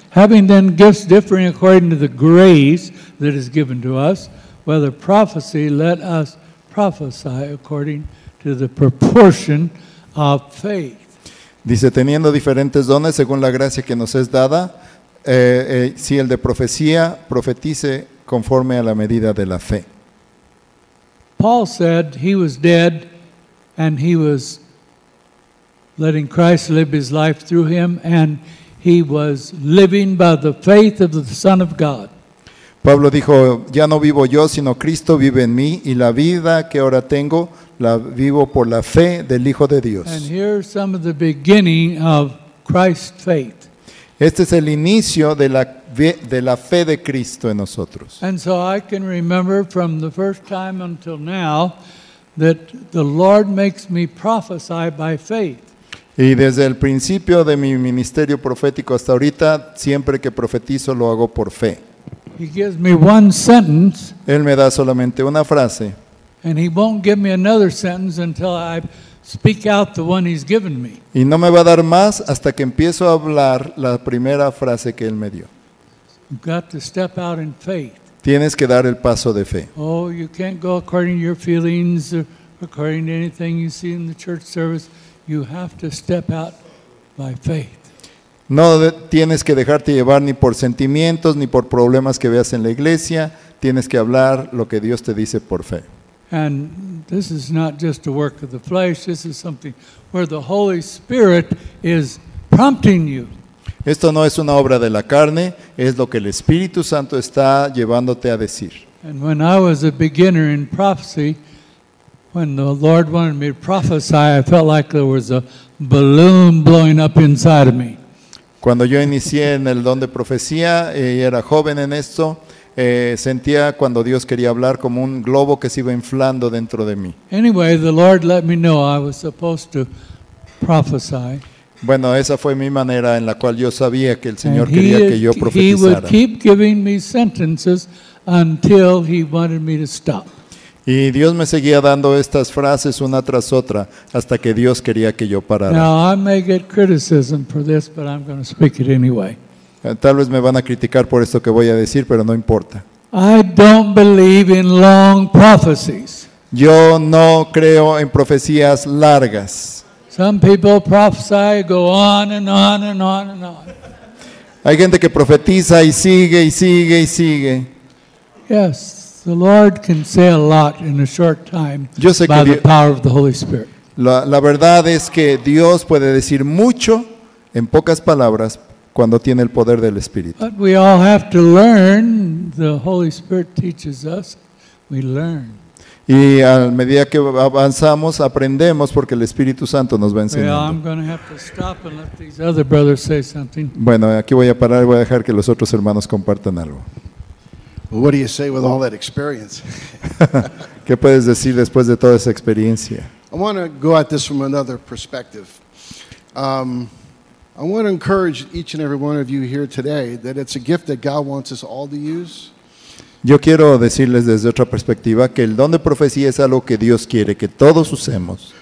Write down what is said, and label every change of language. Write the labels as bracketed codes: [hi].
[en] Having then gifts differing according to the grace that is given to us, whether prophecy, let us prophesy according to the proportion of faith. [es] Dice, teniendo diferentes dones según la gracia que nos es dada, si el de profecía, profetice conforme a la medida de la fe. [en] Paul said he was dead and he was letting Christ live his life through him, and he was living by the faith of the Son of God. [es] Pablo dijo, ya no vivo yo, sino Cristo vive en mí, y la vida que ahora tengo, la vivo por la fe del Hijo de Dios. [en] And here are some of the beginning of Christ's faith. [es] Este es el inicio de la fe de Cristo en nosotros. [en] And so I can remember from the first time until now that the Lord makes me prophesy by faith. [es] Y desde el principio de mi ministerio profético hasta ahorita, siempre que profetizo lo hago por fe. [en] He gives me one sentence. [es] Él me da solamente una frase. [en] And he won't give me another sentence until I speak out the one he's given me. [es] Y no me va a dar más hasta que empiezo a hablar la primera frase que él me dio. [en] You've got to step out in faith. [es] Tienes que dar el paso de fe. [en] Oh, you can't go according to your feelings or according to anything you see in the church service. You have to step out by faith. [es] No tienes que dejarte llevar ni por sentimientos ni por problemas que veas en la iglesia. Tienes que hablar lo que Dios te dice por fe. [en] And this is not just a work of the flesh. This is something where the Holy Spirit is prompting you. [es] Esto no es una obra de la carne, es lo que el Espíritu Santo está llevándote a decir. [en] And when I was a beginner in prophecy, when the Lord wanted me to prophesy, I felt like there was a balloon blowing up inside of me. [es] Cuando yo inicié en el don de profecía y era joven en esto, sentía cuando Dios quería hablar como un globo que se iba inflando dentro de mí. [en] Anyway, the Lord let me know I was supposed to prophesy. [es] Bueno, esa fue mi manera en la cual yo sabía que el Señor quería que yo profetizara. [en] He would keep giving me sentences until he wanted me to stop. [es] Y Dios me seguía dando estas frases una tras otra hasta que Dios quería que yo parara. [en] Now, I may get criticism for this, but I'm going to speak it anyway. [es] Tal vez me van a criticar por esto que voy a decir, pero no importa. [en] I don't believe in long prophecies. [es] Yo no creo en profecías largas. [en] Some people prophesy, go on and on and on and on. [es] Hay gente que profetiza y sigue y sigue y sigue. [en] Yes, the Lord can say a lot in a short time by the power of the Holy Spirit. [es] La verdad es que Dios puede decir mucho en pocas palabras cuando tiene el poder del Espíritu. [en] But we all have to learn. The Holy Spirit teaches us. We learn. [es] Y a medida que avanzamos, aprendemos porque el Espíritu Santo nos va enseñando. [en] Well, I'm going to have to stop and let these other brothers say something. [es] Bueno, aquí voy a parar y voy a dejar que los otros hermanos compartan algo. [en] Well, what do you say with all that experience? [es] ¿Qué puedes decir después de toda esa experiencia? [en] I want to go at this from another perspective. I want to encourage each and every one of you here today that it's a gift that God wants us all to use. [es] Yo quiero decirles desde otra perspectiva que el don de profecía es algo que Dios quiere que todos usemos.